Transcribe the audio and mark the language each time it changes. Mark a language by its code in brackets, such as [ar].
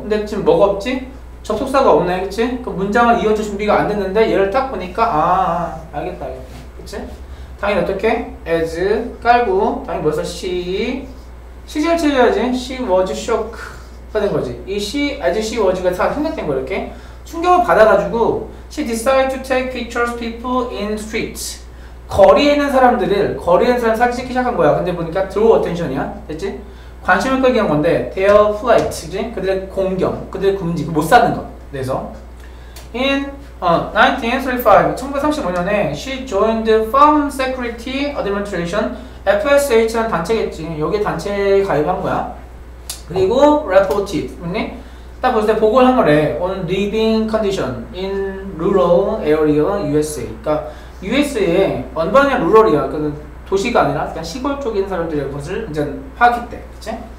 [ko] 근데 지금 뭐가 없지? 접속사가 없네, 그치? 그 문장을 이어줄 준비가 안 됐는데, 얘를 딱 보니까, 알겠다. 그치? 당연히 어떻게? as, 깔고, 당연히 벌써 she, 시제를 틀려야지. [en] she was shocked. [ko] 가 된 거지. 이 she, [en] as she was [ko] 가 다 생각된 거야, 이렇게. 충격을 받아가지고, [en] she decided to take pictures of people in streets. [ko] 거리에 있는 사람들을, 사진 찍기 시작한 거야. 근데 보니까 [en] draw attention [ko] 이야. 됐지? 관심을 끌게 한 건데, [en] their flight, [ko] 그지? 그들의 공격, 그들의 군지, 못 사는 것, 내서. [en] In 1935, [ko] 1935년에, [en] she joined Farm Security Administration, FSH라는 단체겠지. [ko] 여기 단체에 가입한 거야. 그리고, reported, 맞니? 딱 봤을 때 보고를 한 거래. [en] On living condition in rural area, USA. [ko] 그니까, USA의 urban이나 rural이야. 도시가 아니라 그냥 시골 쪽인 사람들의 것을 이제 파악할 때, 그치?